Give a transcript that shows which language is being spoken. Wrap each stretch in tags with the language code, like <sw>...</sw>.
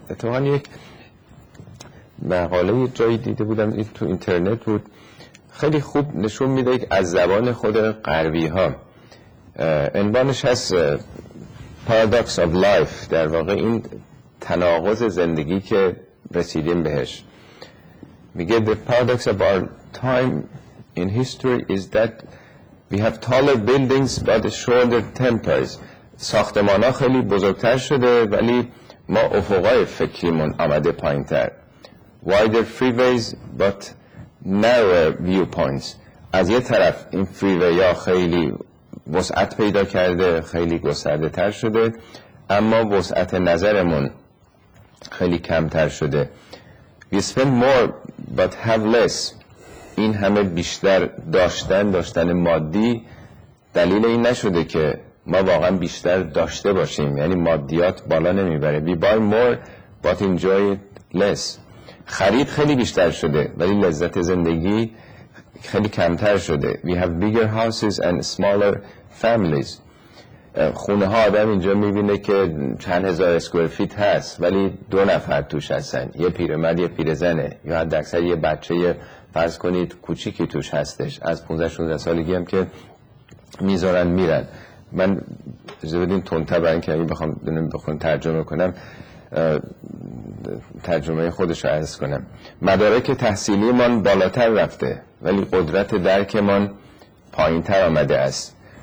<fa>اتفاقاً یک مقاله جایی دیده بودم، این تو اینترنت بود، خیلی خوب نشون میده از زبان خود غربی ها، عنوانش هست</fa> <en>Paradox of Life،</en> <fa>در واقع این تناقض زندگی که رسیدیم بهش. میگه</fa> <en>The paradox of our time in history is that we have taller buildings but shorter tempers.</en> <fa>ساختمان ها خیلی بزرگتر شده ولی ما افقای فکریمون آمده پایین تر.</fa> <en>Wider freeways but narrower viewpoints.</en> <fa>از یه طرف این فریوی ها خیلی وسعت پیدا کرده، خیلی گسترده تر شده، اما وسعت نظرمون خیلی کم تر شده.</fa> <en>We spend more but have less.</en> <fa>این همه بیشتر داشتن مادی دلیل این نشده که ما واقعا بیشتر داشته باشیم، یعنی مادیات بالا نمیبره.</fa> <en>We buy more but enjoy it less.</en> <fa>خرید خیلی بیشتر شده ولی لذت زندگی خیلی کمتر شده.</fa> <en>We have bigger houses and smaller families.</en> <fa>خونه ها آدم اینجا میبینه که چند هزار اسکوئر فیت هست ولی دو نفر توش هستن، یه پیرمرد یه پیرزنه، یا حداکثر یه بچه فرض کنید کوچیکی توش هستش، از 15-16 سالگی هم که میذارن میرن. من زبدین تونتر برای اینکه اگه بخوام بخون ترجمه کنم، ترجمه خودش رو عرض کنم، مدارک تحصیلی من بالاتر رفته ولی قدرت درک من پایین تر آمده است.</fa>